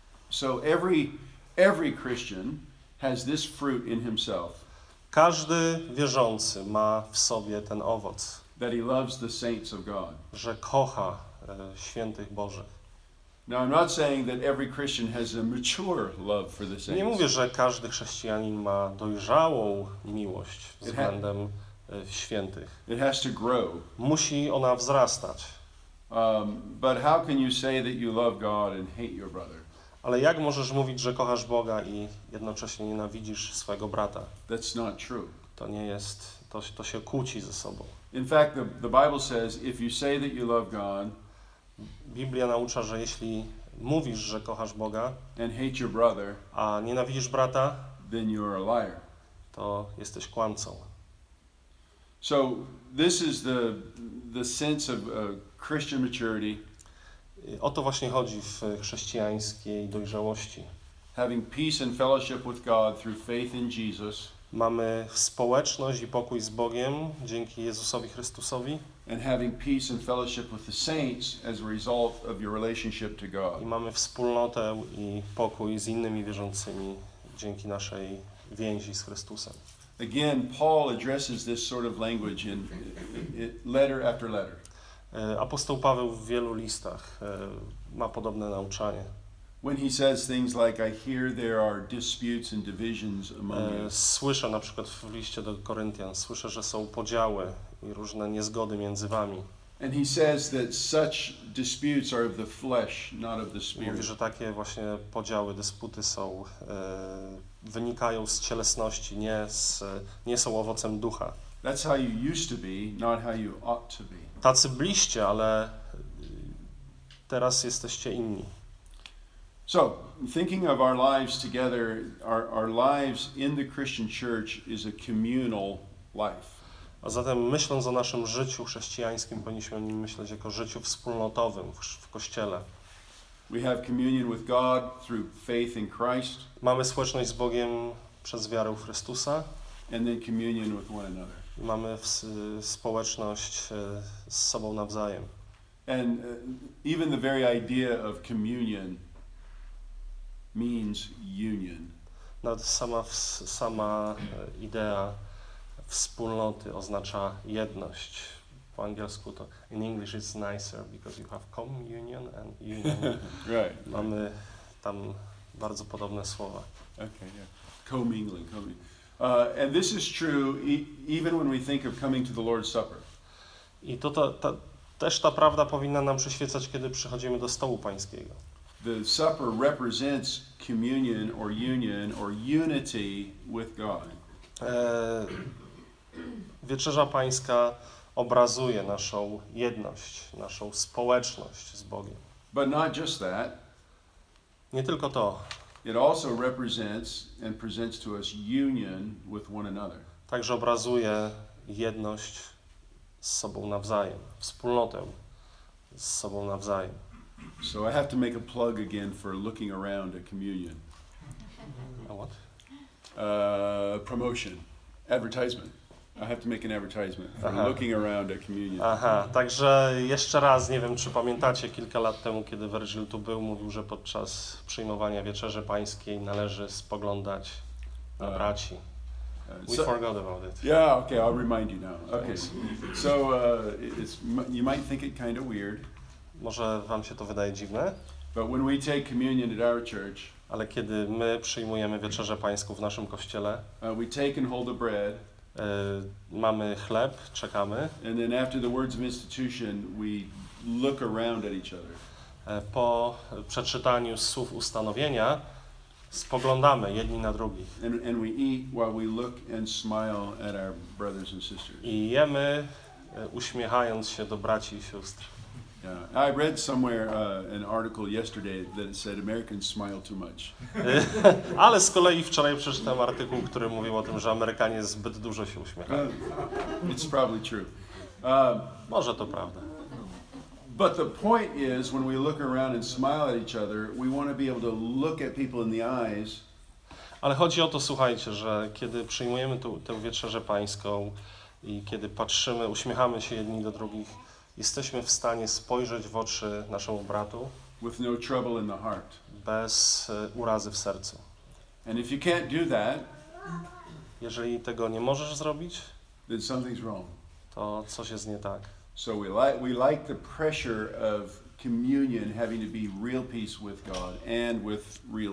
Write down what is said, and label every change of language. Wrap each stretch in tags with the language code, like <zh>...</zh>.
<en>So every Christian has this fruit in himself.</en> <pl>Każdy wierzący ma w sobie ten owoc.</pl> <en>that he loves the saints of God.</en> <pl>Że kocha świętych Bożych.</pl> <en>Now I'm not saying that every Christian has a mature love for the saints.</en> <pl>Nie mówię, że każdy chrześcijanin ma dojrzałą miłość względem świętych.</pl> <en>It has to grow.</en> <pl>Musi ona wzrastać.</pl> <en>But how can you say that you love God and hate your brother?</en> <pl>Ale jak możesz mówić, że kochasz Boga i jednocześnie nienawidzisz swojego brata?</pl> <en>That's not true.</en> <pl>To nie jest, to się kłóci ze sobą.</pl> <en>In fact, the Bible says if you say that you love God,</en> <pl>Biblia naucza, że jeśli mówisz, że kochasz Boga,</pl> <en>and hate your brother,</en> <pl>a nienawidzisz brata,</pl> <en>then you are a liar.</en> <pl>To jesteś kłamcą.</pl> <en>So this is the sense of Christian maturity.</en> <pl>O to właśnie chodzi w chrześcijańskiej dojrzałości.</pl> <en>Having peace and fellowship with God through faith in Jesus.</en> <pl>Mamy społeczność i pokój z Bogiem dzięki Jezusowi Chrystusowi.</pl> <en>And having peace and fellowship with the saints as a result of your relationship to God.</en> <pl>I mamy wspólnotę i pokój z innymi wierzącymi dzięki naszej więzi z Chrystusem.</pl> <en>Again, Paul addresses this sort of language in letter after letter.</en> <pl>Apostoł Paweł w wielu listach ma podobne nauczanie.</pl> <en>When he says things like I hear there are disputes and divisions among you.</en> <pl>Słyszę na przykład w liście do Koryntian, słyszę, że są podziały i różne niezgody między wami.</pl> <en>And he says that such disputes are of the flesh, not of the spirit.</en> <pl>Mówi, że takie właśnie podziały, dysputy są wynikają z cielesności, nie są owocem ducha.</pl> <en>That's how you used to be, not how you ought to be.</en> <pl>Tacy byliście, ale teraz jesteście inni.</pl> <en>So, thinking of our lives together, our lives in the Christian church is a communal life.</en> <pl>A zatem myśląc o naszym życiu chrześcijańskim, powinniśmy o nim myśleć jako o życiu wspólnotowym w Kościele.</pl> <en>We have communion with God through faith in Christ.</en> <pl>Mamy społeczność z Bogiem przez wiarę w Chrystusa.</pl> <en>And then communion with one another.</en> <pl>Mamy społeczność z sobą nawzajem.</pl> <en>And even the very idea of communion means union.</en> <pl>Nawet sama idea wspólnoty oznacza jedność. Po angielsku to</pl> <en>in English it's nicer because you have communion and union. Right.</en> <pl>Mamy tam bardzo podobne słowa.</pl> <en>Okay, yeah. Commingling. And this is true even when we think of coming to the Lord's Supper.</en> <pl>I to też ta prawda powinna nam przyświecać, kiedy przychodzimy do stołu Pańskiego.</pl> <en>The supper represents communion or union or unity with God.</en> <pl>Wieczerza Pańska obrazuje naszą jedność, naszą społeczność z Bogiem.</pl> <en>But not just that.</en> <pl>Nie tylko to.</pl> <en>It also represents and presents to us union with one another.</en> <pl>Także obrazuje jedność z sobą nawzajem, wspólnotę z sobą nawzajem.</pl> <en>So I have to make a plug again for looking around at communion. A what? Promotion. Advertisement. I have to make an advertisement for Aha. looking around at communion.</en> <pl>Aha, także jeszcze raz, nie wiem, czy pamiętacie, kilka lat temu, kiedy Virgil tu był, mówił, że podczas przyjmowania Wieczerzy Pańskiej należy spoglądać na braci.</pl> <en>We forgot about it. Yeah, okay, I'll remind you now. Okay, so it's, you might think it kind of weird.</en> <pl>Może wam się to wydaje dziwne.</pl> <en>But when we take communion at our church,</en> <pl>ale kiedy my przyjmujemy Wieczerzę Pańską w naszym kościele,</pl> <en>we take and hold the bread,</en> <pl>mamy chleb, czekamy.</pl> <en>And then after the words of institution, we look around at each other.</en> <pl>Po przeczytaniu słów ustanowienia spoglądamy jedni na drugich.</pl> <en>And we eat while we look and smile at our brothers and sisters.</en> <pl>I jemy, uśmiechając się do braci i sióstr.</pl> <en>Yeah. I read somewhere an article yesterday that said Americans smile too much.</en> <pl>Ale z kolei wczoraj przeczytałem artykuł, który mówił o tym, że Amerykanie zbyt dużo się uśmiechają.</pl> <en>It's probably true.</en> <pl>Może to prawda.</pl> <en>But the point is when we look around and smile at each other, we want to be able to look at people in the eyes.</en> <pl>Ale chodzi o to, słuchajcie, że kiedy przyjmujemy tę Wieczerzę Pańską i kiedy patrzymy, uśmiechamy się jedni do drugich, jesteśmy w stanie spojrzeć w oczy naszemu bratu</pl> <en>with no trouble in the heart.</en> <pl>Bez urazy w sercu.</pl> <en>And if you can't do that,</en> <pl>jeżeli tego nie możesz zrobić,</pl> <en>then something's wrong.</en> <pl>to coś jest nie tak.</pl> <en>So we like the pressure of communion having to be real peace with God and with real</en>